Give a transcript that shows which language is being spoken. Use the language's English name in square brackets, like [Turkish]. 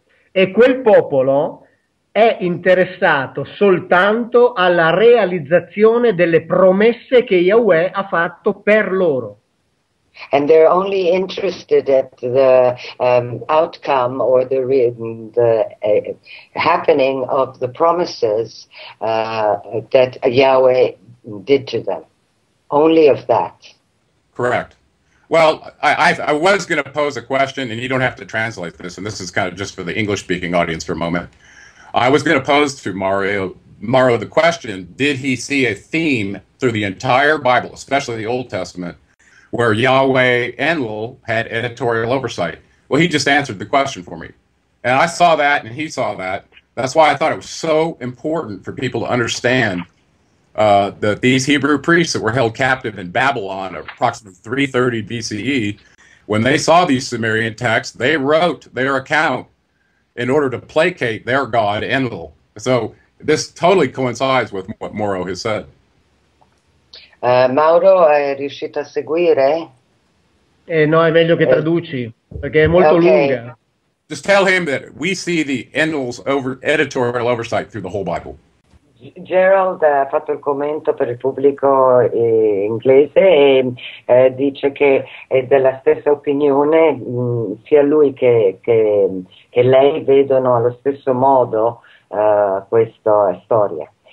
[Italian] E quel popolo è interessato soltanto alla realizzazione delle promesse che Yahweh ha fatto per loro. [English] And they're only interested at the outcome or the happening of the promises that Yahweh did to them. Only of that. Correct. Well, I was going to pose a question, and you don't have to translate this, and this is kind of just for the English-speaking audience for a moment. I was going to pose to Mauro the question, did he see a theme through the entire Bible, especially the Old Testament, where Yahweh and Lul had editorial oversight? Well, he just answered the question for me. And I saw that, and he saw that. That's why I thought it was so important for people to understand that these Hebrew priests that were held captive in Babylon approximately 330 BCE, when they saw these Sumerian texts, they wrote their account in order to placate their god, Enlil. So this totally coincides with what Mauro has said. [Italian] Mauro, è riuscito a seguire? No, è meglio che traduci, perché è molto lunga. [English] Just tell him that we see the Enlil's editorial oversight through the whole Bible. [Italian] Gerald ha fatto il commento per il pubblico inglese e dice che è della stessa opinione, sia lui che lei vedono allo stesso modo questa storia.